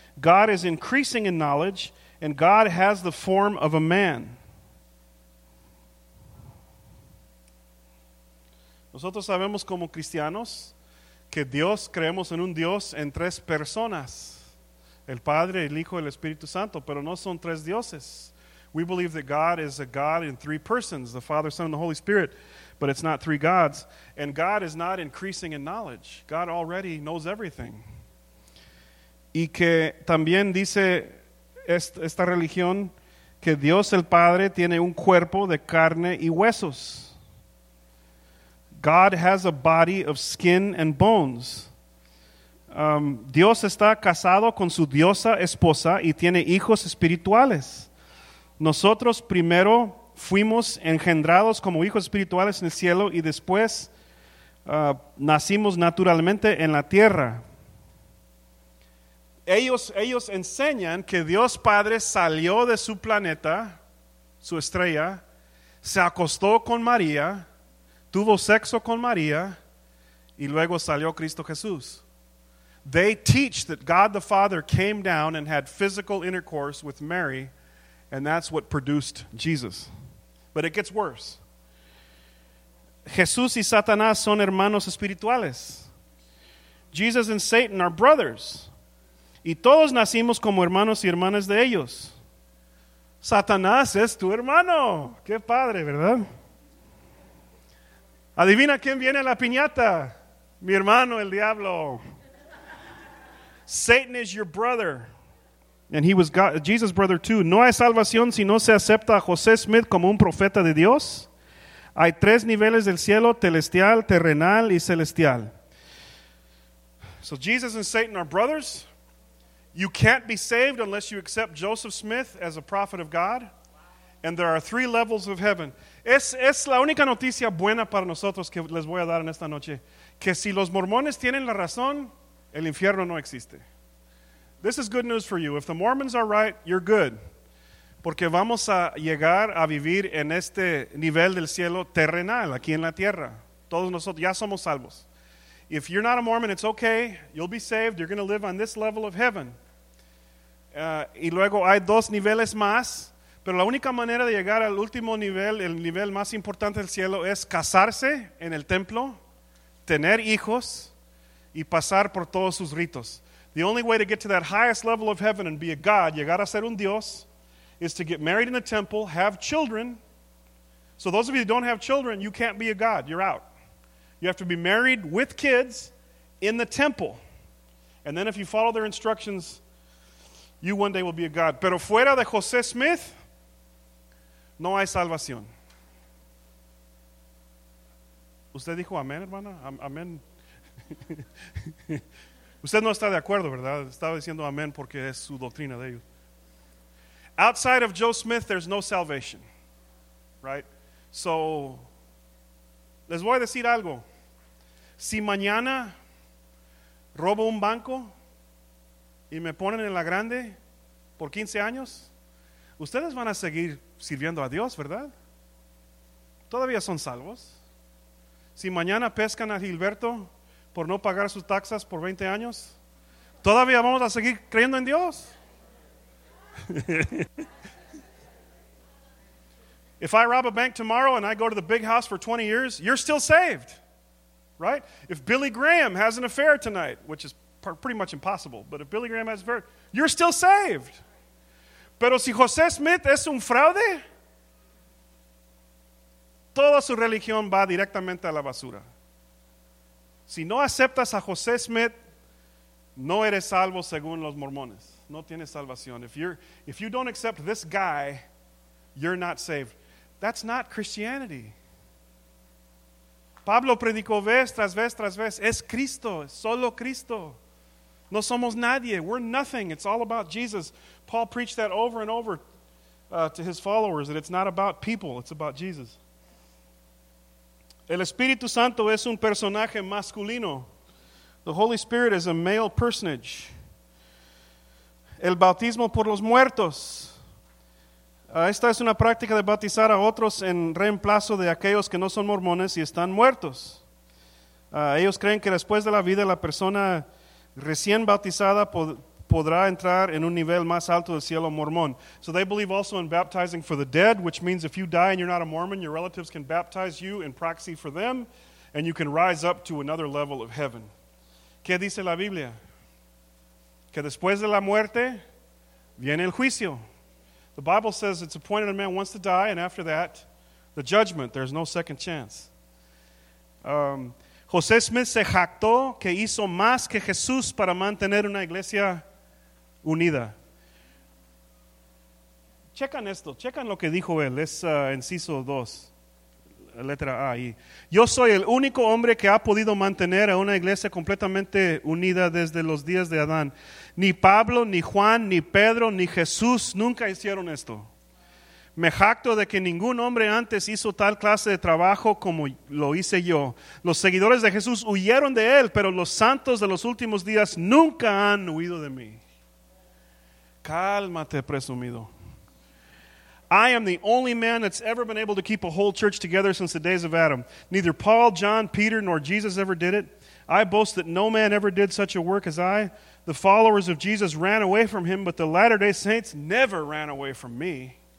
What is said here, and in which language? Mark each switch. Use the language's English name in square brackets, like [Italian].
[English] God is increasing in knowledge, and God has the form of a man. [Spanish] Nosotros sabemos como cristianos que Dios, creemos en un Dios en tres personas. El Padre, el Hijo, el Espíritu Santo, pero no son tres dioses. [English] We believe that God is a God in three persons, the Father, Son, and the Holy Spirit, but it's not three gods. And God is not increasing in knowledge. God already knows everything. [Spanish] Y que también dice esta religión que Dios el Padre tiene un cuerpo de carne y huesos. [English] God has a body of skin and bones. [Spanish] Dios está casado con su diosa esposa y tiene hijos espirituales. Nosotros primero fuimos engendrados como hijos espirituales en el cielo y después nacimos naturalmente en la tierra. Ellos enseñan que Dios Padre salió de su planeta, su estrella, se acostó con María, tuvo sexo con María, y luego salió Cristo Jesús. [English] They teach that God the Father came down and had physical intercourse with Mary, and that's what produced Jesus. But it gets worse. [Spanish] Jesús y Satanás son hermanos espirituales. [English] Jesus and Satan are brothers. [Spanish] Y todos nacimos como hermanos y hermanas de ellos. Satanás es tu hermano. Qué padre, ¿verdad? Adivina quién viene a la piñata. Mi hermano, el diablo. [English] Satan is your brother. And he was God, Jesus' brother too. [Spanish] No hay salvación si no se acepta a José Smith como un profeta de Dios. Hay tres niveles del cielo, celestial, terrenal y celestial. [English] So Jesus and Satan are brothers. You can't be saved unless you accept Joseph Smith as a prophet of God. And there are three levels of heaven. [Spanish] Es la única noticia buena para nosotros que les voy a dar en esta noche. Que si los mormones tienen la razón, el infierno no existe. [English] This is good news for you. If the Mormons are right, you're good. [Spanish] Porque vamos a llegar a vivir en este nivel del cielo terrenal, aquí en la tierra. Todos nosotros ya somos salvos. [English] If you're not a Mormon, it's okay. You'll be saved. You're going to live on this level of heaven. [Spanish] Y luego hay dos niveles más. Pero la única manera de llegar al último nivel, el nivel más importante del cielo, es casarse en el templo, tener hijos y pasar por todos sus ritos. [English] The only way to get to that highest level of heaven and be a God, [Spanish] llegar a ser un Dios, [English] is to get married in the temple, have children. So those of you who don't have children, you can't be a God. You're out. You have to be married with kids in the temple. And then if you follow their instructions, you one day will be a god. [Spanish] Pero fuera de José Smith, no hay salvación. Usted dijo amén, hermana. Amén. Usted no está de acuerdo, ¿verdad? Estaba diciendo amén porque es su doctrina de ellos. [English] Outside of Joe Smith, there's no salvation. Right? [Spanish] So, les voy a decir algo. Si mañana robo un banco y me ponen en la grande por 15 años, ustedes van a seguir sirviendo a Dios, ¿verdad? Todavía son salvos. Si mañana pescan a Gilberto por no pagar sus taxas por 20 años, ¿todavía vamos a seguir creyendo en Dios? [English] If I rob a bank tomorrow and I go to the big house for 20 years, you're still saved, right? If Billy Graham has an affair tonight, which is pretty much impossible, but if Billy Graham has an affair, you're still saved. [Spanish] Pero si José Smith es un fraude, toda su religión va directamente a la basura. Si no aceptas a José Smith, no eres salvo según los mormones. No tienes salvación. [English] If you don't accept this guy, you're not saved. That's not Christianity. [Spanish] Pablo predicó vez tras vez tras vez. Es Cristo, solo Cristo. No somos nadie. [English] We're nothing. It's all about Jesus. Paul preached that over and over to his followers, that it's not about people, it's about Jesus. [Spanish] El Espíritu Santo es un personaje masculino. [English] The Holy Spirit is a male personage. [Spanish] El bautismo por los muertos. Esta es una práctica de bautizar a otros en reemplazo de aquellos que no son mormones y están muertos. Ellos creen que después de la vida la persona recién bautizada podrá entrar en un nivel más alto del cielo mormón. So they believe also in baptizing for the dead, which means if you die and you're not a Mormon, your relatives can baptize you in proxy for them, and you can rise up to another level of heaven. ¿Qué dice la Biblia? Que después de la muerte viene el juicio. [English] The Bible says it's appointed a man wants to die, and after that, the judgment. There's no second chance. [Spanish] José Smith se jactó que hizo más que Jesús para mantener una iglesia unida. Checan esto, checan lo que dijo él. Es inciso 2, letra A. Y, yo soy el único hombre que ha podido mantener a una iglesia completamente unida desde los días de Adán. Ni Pablo, ni Juan, ni Pedro, ni Jesús nunca hicieron esto. Me jacto de que ningún hombre antes hizo tal clase de trabajo como lo hice yo. Los seguidores de Jesús huyeron de él, pero los santos de los últimos días nunca han huido de mí. Cálmate, presumido. [English] I am the only man that's ever been able to keep a whole church together since the days of Adam. Neither Paul, John, Peter, nor Jesus ever did it. I boast that no man ever did such a work as I. The followers of Jesus ran away from him, but the Latter-day Saints never ran away from me.